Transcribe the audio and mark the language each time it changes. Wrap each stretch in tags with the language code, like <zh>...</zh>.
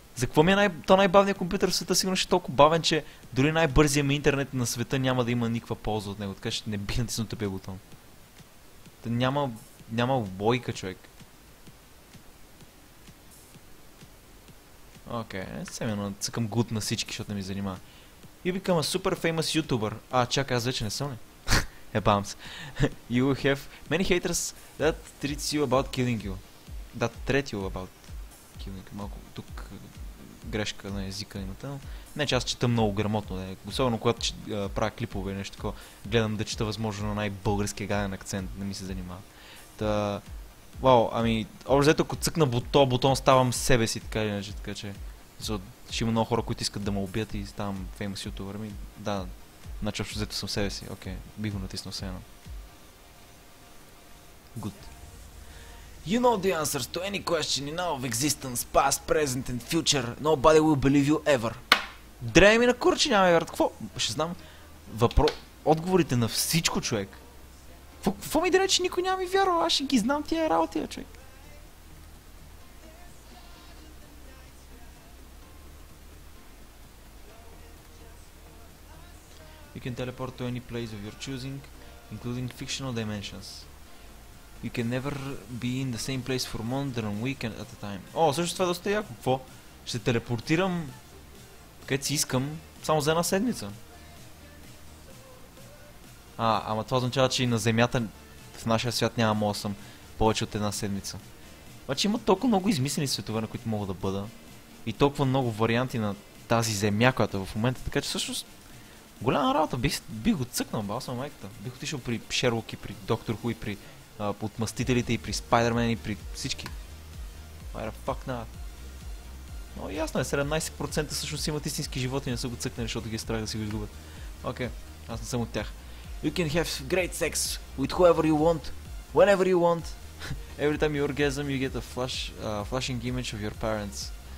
<bg>За какво ми е най-бавният компютър в света? Сигурно ще е толкова бавен, че дори най-бързия ми интернет на света няма да има никаква полза от него. Така ще не бих натиснал тъпия бутон. Няма логика, човек. Окей, семено цъкам гуд на всички, защото не ми занимава.</bg> <en>You become a super famous YouTuber.</en> <bg>А, чакай, аз вече не съм ли? Ебавам се.</bg> <en>You have many haters that treats you about killing you. That treat you about killing you.</en> <bg>Малко тук... грешка на езика имате, но не, че аз чета много грамотно, не. Особено когато правя клипове или нещо такова, гледам да чета възможно на най-българския гаден акцент, не ми се занимава. Та, вау, общо взето, ако цъкна бутон ставам себе си, така или иначе, така че ще има много хора, които искат да ме убият и ставам</bg> <en>famous youtuber,</en> <bg>да, значи общо взето съм себе си, окей, бих го натиснал все едно.</bg> <en>Good. You know the answers to any question in all of existence, past, present and future. Nobody will believe you ever.</en> <bg>Дрея ми на курче, няма ми вярат. Какво? Ще знам. Отговорите на всичко, човек. Какво ми дрея, че никой няма ми вярва? Аз ще ги знам тия работи, човек.</bg> <en>You can teleport to any place of your choosing, including fictional dimensions. You can never be in the same place for month or a week at a time.</en> <bg>О, също това е доста яко. Какво? Ще телепортирам където си искам, само за една седмица. Ама това означава, че и на Земята, в нашия свят няма мога съм повече от една седмица. Обаче има толкова много измислени светове, на които мога да бъда. И толкова много варианти на тази Земя, която е в момента. Така че всъщност, голяма работа. Бих го цъкнал, бал съм майката. Бих отишъл при Шерлок и при Доктор Ху и при... под мъстителите и при Спайдермен и при всички.</bg> <en>Where the fuck not?</en> <bg>Но ясно е, 17% всъщност имат истински животи и не са го цъкнали, защото ги е страх да си го изгубят. Окей, аз не съм от тях.</bg> <en>You can have great sex with whoever you want, whenever you want. Every time you orgasm, you get a flashing image of your parents.</en>